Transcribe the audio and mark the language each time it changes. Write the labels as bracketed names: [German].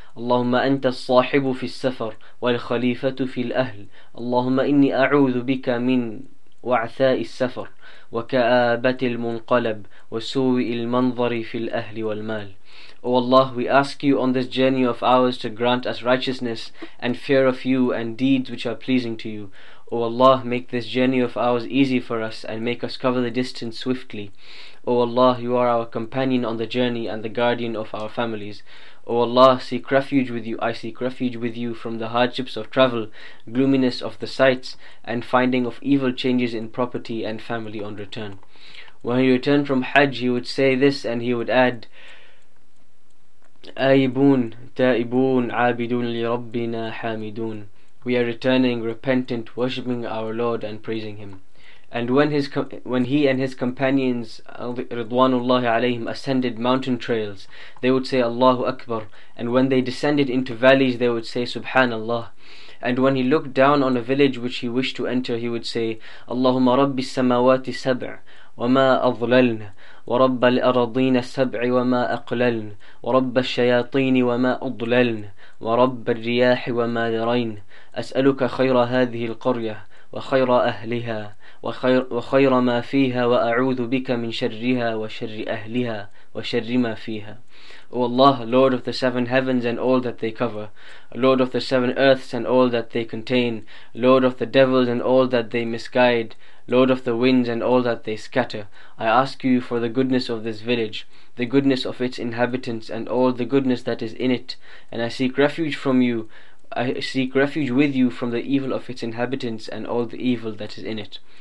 [Arabic] اللهم أنت الصاحب في السفر والخليفة في الأهل. اللهم إني أعوذ بك من وعثاء السفر وكآبة المنقلب وسوء المنظر في الأهل والمال. [English] O Allah, we ask you on this journey of ours to grant us righteousness and fear of you and deeds which are pleasing to you. O Allah, make this journey of ours easy for us and make us cover the distance swiftly. O Allah, you are our companion on the journey and the guardian of our families. O Allah, I seek refuge with you from the hardships of travel, gloominess of the sights, and finding of evil changes in property and family on return. When he returned from Hajj, he would say this, and he would add, [Arabic] Aibun, Taibun, Abidun li Rabbina Hamidun. [English] We are returning, repentant, worshipping our Lord and praising Him. And when he and his companions, Ridwanullahi alayhim, ascended mountain trails, they would say Allahu Akbar. And when they descended into valleys, they would say Subhanallah. And when he looked down on a village which he wished to enter, he would say, [Arabic] Allahumma Rabbi samawati sab'a, wa ma adhlalna. ورب الأراضين السبع وما أقللن ورب الشياطين وما أضللن ورب الرياح وما درين أسألك خير هذه القرية وخير أهلها وخير ما فيها وأعوذ بك من شرها وشر أهلها وشر ما فيها. [English] O Allah, Lord of the seven heavens and all that they cover, Lord of the seven earths and all that they contain, Lord of the devils and all that they misguide, Lord of the winds and all that they scatter, I ask you for the goodness of this village, the goodness of its inhabitants and all the goodness that is in it, and I seek refuge from you, I seek refuge with you from the evil of its inhabitants and all the evil that is in it.